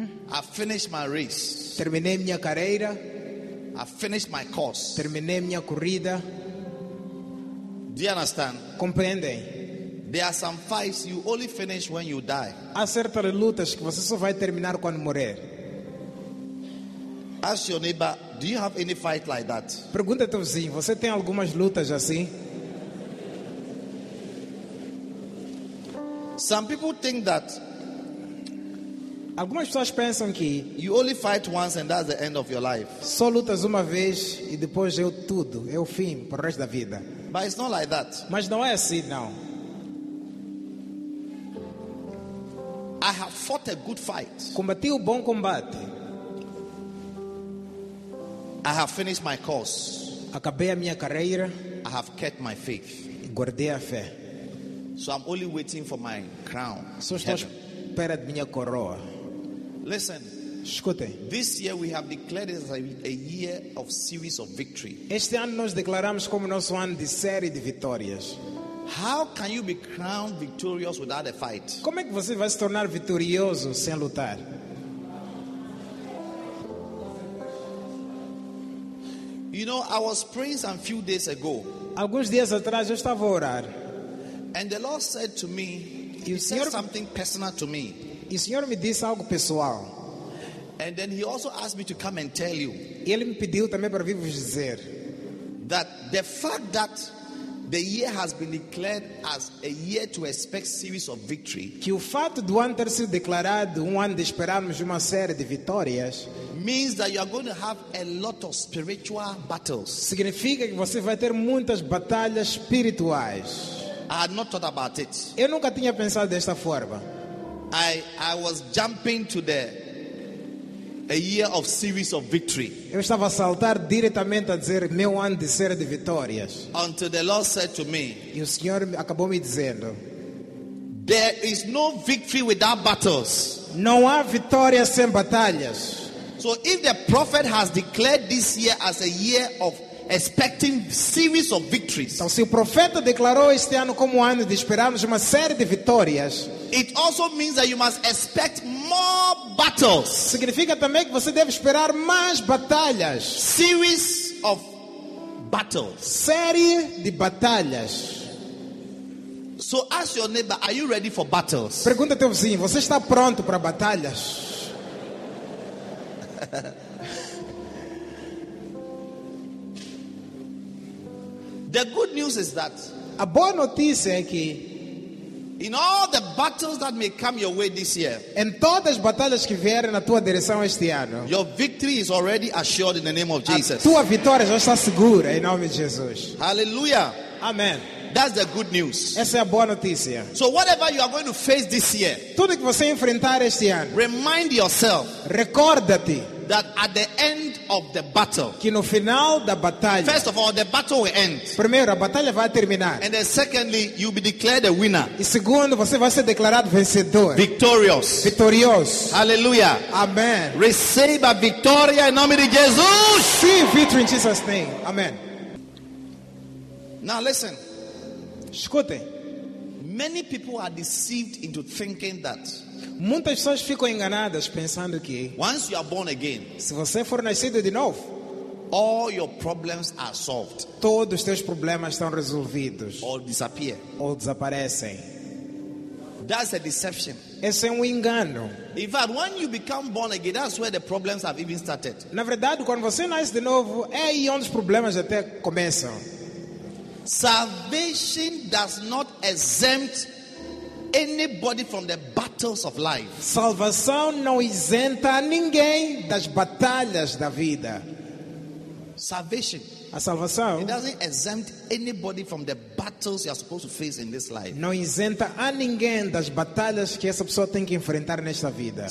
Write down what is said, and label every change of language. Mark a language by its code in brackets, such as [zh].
[en] I finished my race, [pt] terminei minha carreira. [en] I finished my course, [pt] terminei minha corrida. [en] Do you understand? [pt] Compreendem? [en] There are some fights you only finish when you die. [pt] Há certas lutas que você só vai terminar quando morrer. [en] Ask your neighbor, do you have any fight like that? [pt] Pergunta ao teu vizinho, você tem algumas lutas assim? [en] Some people think that. [pt] Algumas pessoas pensam que [en] you only fight once and that's the end of your life. [pt] Só lutas uma vez e depois é tudo, é o fim para o resto da vida. [en] But it's not like that. [pt] Mas não é assim, não. [en] I have fought a good fight. [pt] Combati o bom combate. [en] I have finished my course. [pt] Acabei a minha carreira. [en] I have kept my faith. [pt] Guardei a fé. [en] So I'm only waiting for my crown. [pt] Só estou à espera de minha coroa. [en] Listen. [pt] Escute. [en] This year we have declared it as a year of series of victory. [pt] Este ano nós declaramos como nosso ano de série de vitórias. [en] How can you be crowned victorious without a fight? [pt] Como é que você vai se tornar vitorioso sem lutar? [en] You know, I was praying some few days ago. [pt] Alguns dias atrás eu estava a orar. [en] And the Lord said to me, [pt] e o Senhor, [en] he said something personal to me. [pt] E o Senhor me disse algo pessoal. [en] And then he also asked me to come and tell you. [pt] E ele me pediu também para vir vos dizer [en] that the fact that the year has been declared as a year to expect series of victory, [pt] que o fato do ano ter sido declarado um ano de esperarmos uma série de vitórias, [en] means that you are going to have a lot of spiritual battles. [pt] Significa que você vai ter muitas batalhas espirituais. [en] I had not thought about it. [pt] Eu nunca tinha pensado desta forma. [en] I was jumping to the a year of series of victory. [pt] Eu estava a saltar diretamente a dizer meu ano de série de vitórias. [en] Until the Lord said to me, [pt] e o Senhor acabou me dizendo, [en] there is no victory without battles. [pt] Não há vitória sem batalhas. [en] So if the prophet has declared this year as a year of expecting series of victories, [pt] então se o profeta declarou este ano como ano de esperarmos uma série de vitórias, [en] it also means that you must expect more battles. [pt] Significa também que você deve esperar mais batalhas. [en] Series of battles. [pt] Série de batalhas. [en] So ask your neighbor, are you ready for battles? [pt] Pergunta ao teu vizinho, você está pronto para batalhas? [en] The good news is that [pt] a boa notícia é que [en] in all the battles that may come your way this year, [pt] em todas as batalhas que vierem na tua direção este ano, [en] your victory is already assured in the name of Jesus. [pt] A tua vitória já está segura em nome de Jesus. [en] Hallelujah. Amen. That's the good news. [pt] Essa é a boa notícia. [en] So whatever you are going to face this year, [pt] tudo que você enfrentar este ano, [en] remind yourself, [pt] recorda-te, [en] that at the end of the battle, [pt] que no final da batalha, [en] first of all, the battle will end. [pt] Primeiro, a batalha vai terminar. [en] And then secondly, you'll be declared a winner. [pt] E segundo, você vai ser declarado vencedor. [en] Victorious. Victorious. Hallelujah. Amen. Receive [pt] a victoria em nome de Jesus. [en] See victory in Jesus' name. Amen. Now listen. [pt] Escute. [en] Many people are deceived into thinking that. [pt] Muitas pessoas ficam enganadas pensando que [en] once you are born again, [pt] se você for nascido de novo, [en] all your problems are solved. [pt] Todos os teus problemas estão resolvidos. [en] Or disappear. [pt] Ou desaparecem. [en] That's a deception. [pt] Esse é engano. [en] In fact, when you become born again, that's where the problems have even started. [pt] Na verdade, quando você nasce de novo, é aí onde os problemas até começam. [en] Salvation does not exempt anybody from the battles of life. [pt] Salvação não isenta ninguém das batalhas da vida. [en] Salvation. [pt] A salvação. [en] It doesn't exempt anybody from the battles you are supposed to face in this life. [pt] Não isenta a ninguém das batalhas que essa pessoa tem que enfrentar nesta vida.